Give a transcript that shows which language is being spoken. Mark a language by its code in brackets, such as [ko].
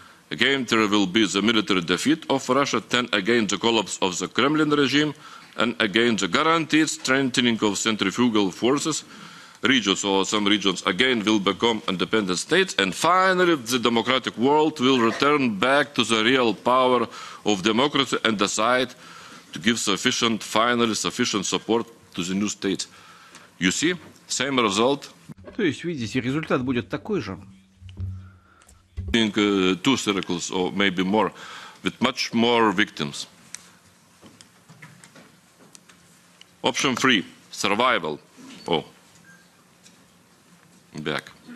[en] Again, there will be the military defeat of Russia, then again the collapse of the Kremlin regime, and again the guaranteed strengthening of centrifugal forces. Regions or some regions again will become independent states, and finally the democratic world will return back to the real power of democracy and decide to give sufficient support to the new states. You see? Same result. [ru] То есть, видите, результат будет такой же. [en] I think two circles, or maybe more, with much more victims. Option three, survival. Oh, back.